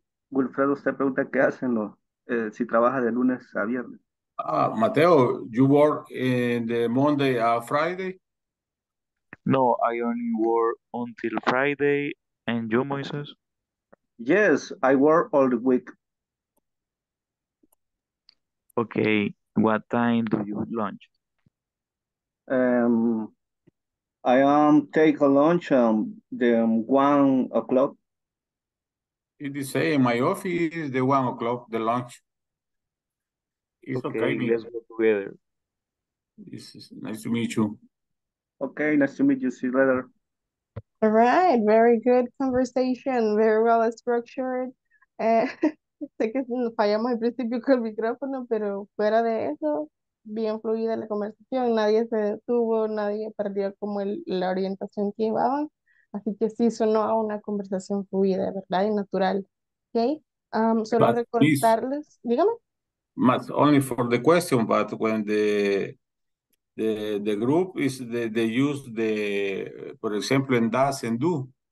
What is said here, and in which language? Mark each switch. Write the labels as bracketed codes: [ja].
[es] Wilfredo, usted pregunta qué hacen los si trabaja de lunes a viernes. [en] Mateo, you work in the Monday a Friday? No, I only work until Friday. And you, Moises? Yes, I work all the week. Okay, what time do you lunch? I take a lunch at 1 o'clock. It's the same. My office is the 1 o'clock, the lunch. It's okay. Let's go together. It's nice to meet you. Okay, nice to meet you. See you later. All right, very good conversation. Very well structured. [es] Sé que fallamos al principio con el micrófono, pero fuera de eso, bien fluida la conversación. Nadie se detuvo, nadie perdió como la orientación que llevaban. Así que sí, sonó a una conversación fluida, ¿verdad? Y natural. Okay. Solo [en] but [es] recordarles, [en] please, [es] dígame. [en] Matt, only for the question, but when the group is they use the, for example, in does and do.